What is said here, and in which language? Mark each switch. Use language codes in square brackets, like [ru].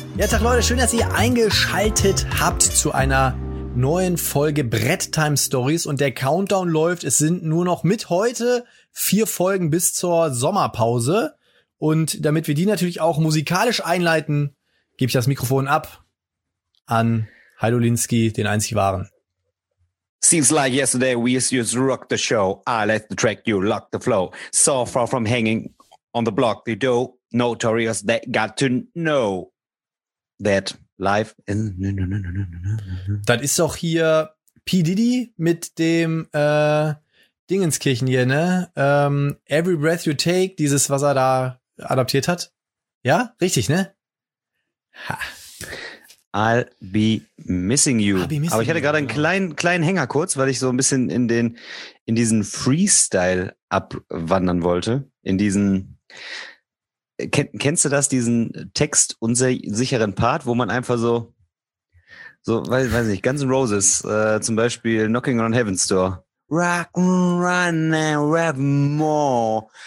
[de] Ja, tach Leute, schön, dass ihr eingeschaltet habt zu einer neuen Folge Brett Time Stories. Und der Countdown läuft, es sind nur noch mit heute 4 Folgen bis zur Sommerpause. Und damit wir die natürlich auch musikalisch einleiten, gebe ich das Mikrofon ab an Haider Linsky, den einzig wahren. [en] Seems like yesterday we used to rock the show. I let the track, you lock the flow. So far from hanging on the block, the dough. Notorious, they got to know that life is... [de] Das ist doch hier P. Diddy mit dem... Dingenskirchen hier, ne? Every Breath You Take, dieses, was er da adaptiert hat. Ja, richtig, ne? [en] Ha. I'll be missing you. [de] Aber ich hatte gerade einen kleinen Hänger kurz, weil ich so ein bisschen in diesen Freestyle abwandern wollte. In diesen... Kennst du das, diesen Text unsicheren Part, wo man einfach so weiß nicht, Guns N' Roses, zum Beispiel Knocking on Heaven's Door. [en] Rock and run and rap more.